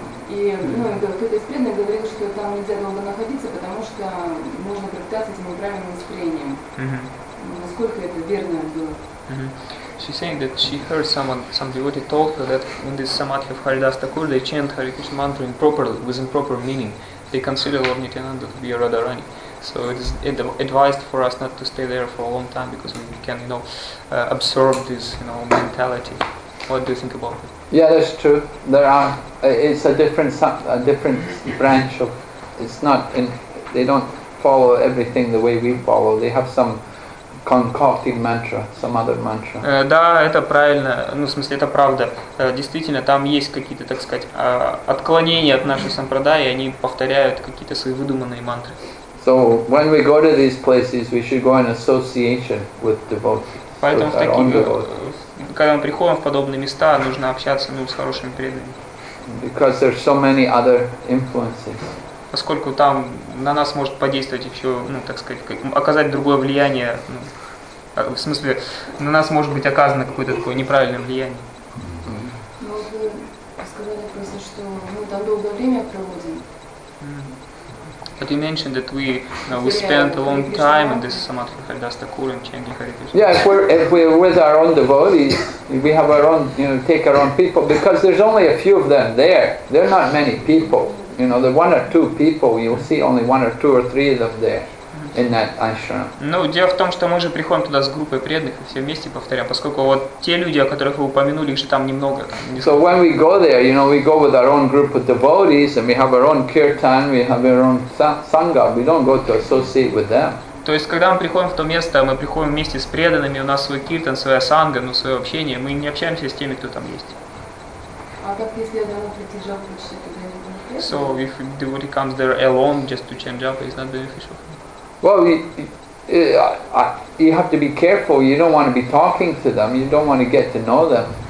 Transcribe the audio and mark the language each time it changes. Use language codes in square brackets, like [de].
[ru] И кто-то из преданных говорил, что там нельзя долго находиться, потому что можно пропитаться этим неправильным настроением. Mm-hmm. Насколько это верно было? [en] She's saying that she heard some devotee talk that in this Samadhi of Haridas Thakur they chant Hare Krishna mantra improperly, with improper meaning. They consider Lord Nityananda to be a Radharani. So it is advised for us not to stay there for a long time because we can, absorb this, mentality. What do you think about it? Yeah, that's true. It's a different branch of, they don't follow everything the way we follow. They have some concocted mantra, some other mantra. [ru] Да, это правильно. Ну, в смысле, это правда. Действительно, там есть какие-то, так сказать, отклонения от нашей сампрадаи, и они повторяют какие-то свои выдуманные мантры. [en] So when we go to these places, we should go in association with devotees. [ru] Поэтому когда мы приходим в подобные места, нужно общаться с хорошими преданными. [en] Because there's so many other influences. [ru] Поскольку там на нас может подействовать еще, оказать другое влияние, в смысле, на нас может быть оказано какое-то такое неправильное влияние. Ну, вы сказали просто, что мы там долгое время проводим. [en] But you mentioned that we spent a long time in this Samadhi Haridas Thakur and chanting Hare Krishna. Yeah, if we're with our own devotees, we have our own, take our own people, because there's only a few of them there. There are not many people. The one or two people, you'll see only one or two or three of them there in that ashram. [ru] Ну, дело в том, что мы же приходим туда с группой преданных, и все вместе повторяем, поскольку вот те люди, о которых вы упомянули, их же там немного. [en] So when we go there, we go with our own group of devotees, and we have our own kirtan, we have our own sangha, we don't go to associate with them. [ru] То есть, когда мы приходим в то место, мы приходим вместе с преданными, у нас свой киртан, своя санга, свое общение, мы не общаемся с теми, кто там есть. А как если я давно притяжал почти туда? [en] So if the devotee comes there alone just to change up, it's not beneficial for him. Well, you have to be careful. You don't want to be talking to them. You don't want to get to know them.